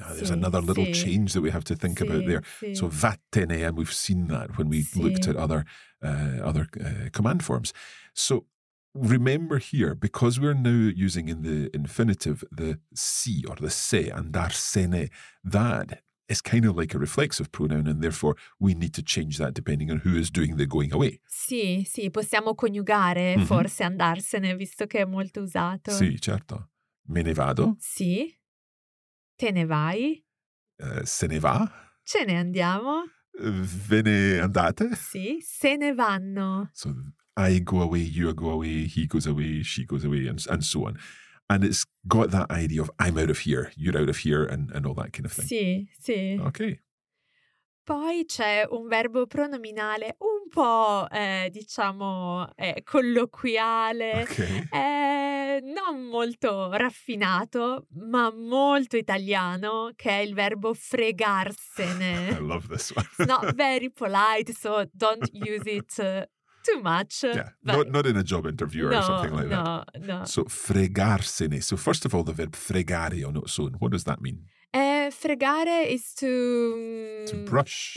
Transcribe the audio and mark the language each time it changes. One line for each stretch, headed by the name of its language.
English: There's another little change that we have to think about there. So vattene, and we've seen that when we looked at other command forms. So remember here, because we're now using in the infinitive the si or the se, andarsene, that is kind of like a reflexive pronoun, and therefore we need to change that depending on who is doing the going away.
Italian: Sì, sì, possiamo coniugare forse andarsene, visto che è molto usato. Sì, certo. Me ne vado. Sì. Te ne vai. Se ne va. Ce ne andiamo. Ve ne andate. Sì, se ne vanno.
English: So I go away, you go away, he goes away, she goes away, and so on. And it's got that idea of I'm out of here, you're out of here, and all that kind of thing.
Italian: Sì, sì. Ok. Poi c'è un verbo pronominale un po', diciamo, colloquiale, okay. Non molto raffinato, ma molto italiano, che è il verbo fregarsene.
English: I love this one. It's not very polite, so don't use it too much. Yeah, not in a job interview or something like that. No. So fregarsene. So first of all, the verb fregare on its own, what does that mean? Fregare is to... to brush.